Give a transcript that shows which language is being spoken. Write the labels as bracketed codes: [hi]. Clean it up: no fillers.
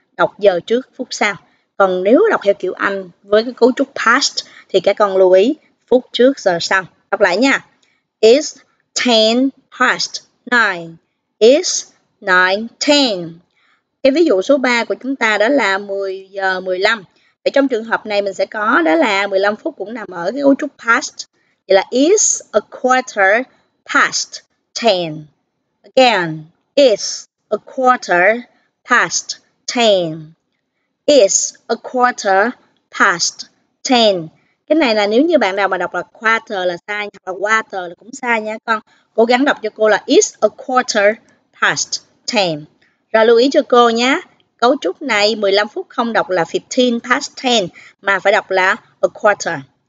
[vi] Đọc giờ trước, phút sau. Còn nếu đọc theo kiểu Anh với cái cấu trúc past thì các con lưu ý phút trước, giờ sau. Đọc lại nha. [en] It's 10 past 9. It's 9:10. [vi] Cái ví dụ số 3 của chúng ta đó là 10:15. Ở trong trường hợp này mình sẽ có đó là 15 phút cũng nằm ở cái cấu trúc past. Vậy là [en] it's a quarter past 10. Again, it's a quarter past 10. It's a quarter past 10. [vi] Cái này là nếu như bạn nào mà đọc là quarter là sai, hoặc là water là cũng sai nha con. Cố gắng đọc cho cô là [en] it's a quarter past 10. [vi] Rồi lưu ý cho cô nhé. Cấu trúc này 15 phút không đọc là [en] 15 past 10 [vi] mà phải đọc là a quarter.